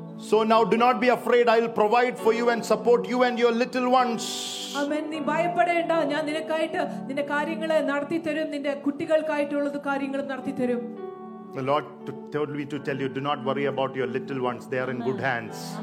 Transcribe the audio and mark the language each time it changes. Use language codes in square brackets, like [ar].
[en] So now do not be afraid, I will provide for you and support you and your little ones. Amen. [ml] നീ ഭയപ്പെടേണ്ട, ഞാൻ നിനക്കായിട്ട് നിന്റെ കാര്യങ്ങളെ നടത്തി തരും, നിന്റെ കുട്ടികൾക്കായിട്ടുള്ള കാര്യങ്ങളും നടത്തി തരും. [en] The Lord told me to tell you, do not worry about your little ones, they are in good hands.